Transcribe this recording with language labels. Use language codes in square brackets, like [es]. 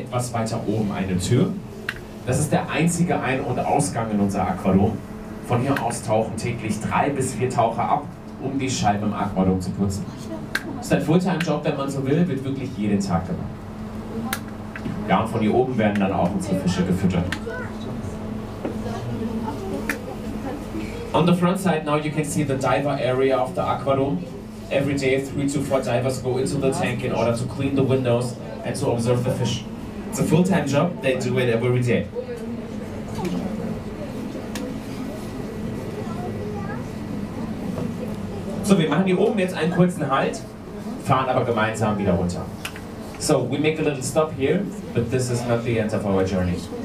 [de] etwas weiter oben eine Tür. Das ist der einzige Ein- und Ausgang in unser Aquarium. Von hier aus tauchen täglich 3 bis 4 Taucher ab, um die Scheiben im Aquarium zu putzen. Das ist ein Fulltime-Job, wenn man so will, wird wirklich jeden Tag gemacht. Ja, und von hier oben werden dann auch unsere Fische gefüttert. [en] On the front side now you can see the diver area of the aquarium. Every day 3 to 4 divers go into the tank in order to clean the windows and to observe the fish. It's a full-time job, they do it every day. [de] So, wir machen hier oben jetzt einen kurzen Halt, fahren aber gemeinsam wieder runter. [en] So, we make a little stop here, but this is not the end of our journey.